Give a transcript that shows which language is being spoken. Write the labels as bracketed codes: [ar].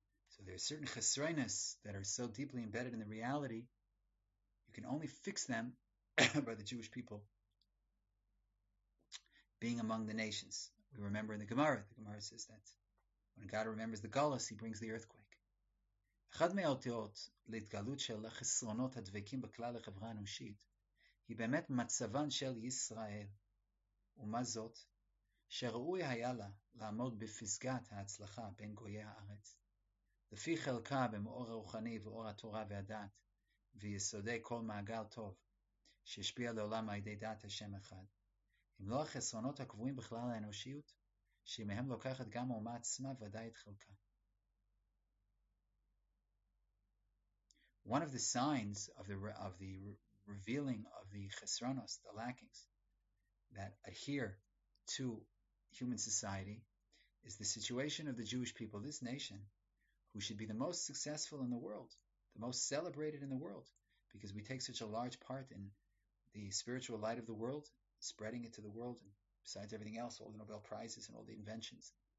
[en] So there are certain chesroinus that are so deeply embedded in the reality, you can only fix them by the Jewish people being among the nations. We remember in the Gemara says that when God remembers the galus, he brings the earthquake. [he] אחד מהאותיות להתגלות של החסרונות הדבקים בכלל החברה האנושית, היא באמת מצבן של ישראל. ומה זאת? שראוי היה לה לעמוד בפסגת ההצלחה בין גויי הארץ, לפי חלקה במאור הרוחני ואור התורה והדת, ויסודי כל מעגל טוב, שהשפיע לעולם על ידי דעת השם אחד. אם לא החסרונות הקבועים בכלל האנושיות, שמהם לוקחת גם האומה עצמה ודאי את חלקה. [en] One of the signs of the revealing of the chesronos, the lackings that adhere to human society, is the situation of the Jewish people, this nation, who should be the most successful in the world, the most celebrated in the world, because we take such a large part in the spiritual light of the world, spreading it to the world, and besides everything else, all the Nobel Prizes and all the inventions,